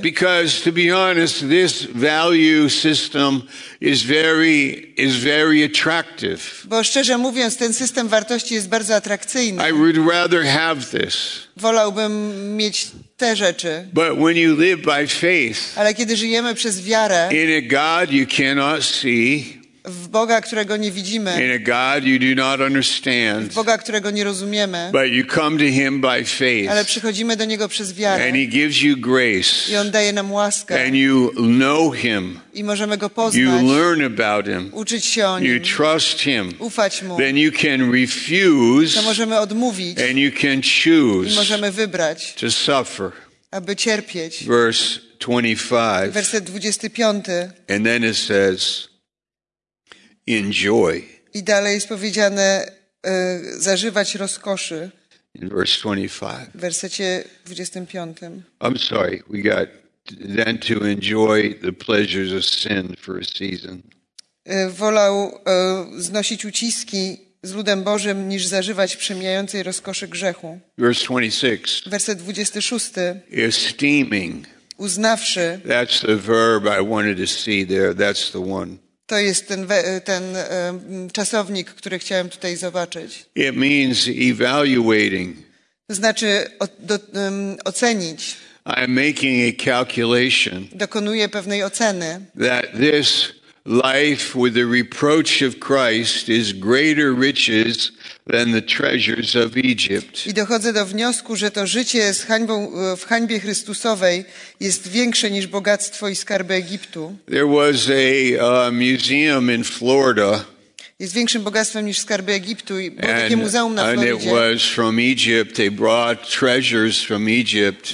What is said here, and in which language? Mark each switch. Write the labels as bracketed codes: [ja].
[en] Because to be honest, this value system is very attractive. [pl] Bo szczerze mówiąc, ten system wartości jest bardzo atrakcyjny. [en] I would rather have this. [pl] Wolałbym mieć te rzeczy. [en] But when you live by faith, [pl] ale kiedy żyjemy przez wiarę, [en] in a God you cannot see, [pl] w Boga, którego nie widzimy, [en] in a God you do not understand, [pl] w Boga, którego nie rozumiemy, [en] but you come to him by faith, [pl] ale przychodzimy do Niego przez wiarę, [en] and he gives you grace, [pl] i On daje nam łaskę, [en] and you know him, [pl] i możemy Go poznać, [en] you learn about him, [pl] uczyć się o Nim, [en] you trust him, [pl] ufać Mu, [en] then you can refuse, [pl] to możemy odmówić, [en] and you can choose, [pl] i możemy wybrać, [en] to suffer, [pl] aby cierpieć. [en] Verse 25. [pl] Werset 25. [en] And then it says, enjoy. [pl] I dalej jest powiedziane zażywać rozkoszy. [en] In verse 25. [pl] W wersecie 25. [en] I'm sorry, we got then to enjoy the pleasures of sin for a season. [pl] Wolał znosić uciski z ludem Bożym niż zażywać przemijającej rozkoszy grzechu. [en] Verse 26. [pl] Werset 26. [en] Esteeming. [pl] Uznawszy. [en] That's the verb I wanted to see there. That's the one. [pl] To jest ten czasownik, który chciałem tutaj zobaczyć. [en] It means evaluating. [pl] To znaczy ocenić. [en] I'm making a calculation. [pl] Dokonuję pewnej oceny. [en] That this life with the reproach of Christ is greater riches than the treasures of Egypt. [pl] I dochodzę do wniosku, że to życie z hańbą, w hańbie Chrystusowej jest większe niż bogactwo i skarby Egiptu. [en] There was a museum in Florida. [pl] Jest większym bogactwem niż skarby Egiptu i było takie muzeum na Florydzie. [en] And it was from Egypt. They brought treasures from Egypt.